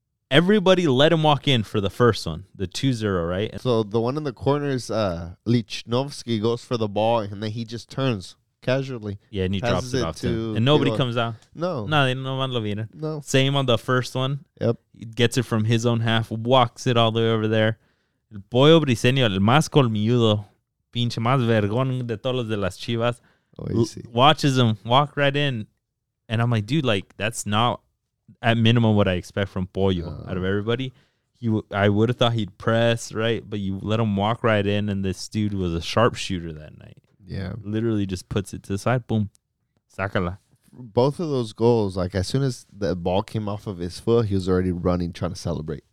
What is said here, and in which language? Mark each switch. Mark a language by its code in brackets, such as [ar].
[en] Everybody let him walk in for the first one, the 2-0, right? So the one in the corner is Lichnowsky goes for the ball, and then he just turns casually. Yeah, and he drops it off to him. And nobody comes out. No. No, man lo viene. No. Same on the first one. Yep. He gets it from his own half, walks it all the way over there. [es] El pollo briseño, el más colmilludo, pinche más vergón de todos los de las Chivas, [en] watches him walk right in. And I'm like, dude, like, that's not... At minimum, what I expect from Pollo out of everybody. I would have thought he'd press, right? But you let him walk right in, and this dude was a sharpshooter that night. Yeah. Literally just puts it to the side. Boom. [es] Sácala. [en] Both of those goals, like, as soon as the ball came off of his foot, he was already running, trying to celebrate.